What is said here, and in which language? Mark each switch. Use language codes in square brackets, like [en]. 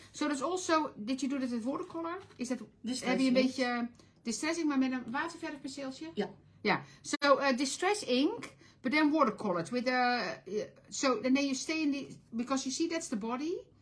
[en] So that's also, did you do that with watercolor? Is that, distressing. [nl] Heb je een beetje distressing, maar met een waterverfpenseeltje? Ja. Yeah. Yeah. [en] So distress ink, but then watercolored with a, so and then you stay in the, because you see that's the body.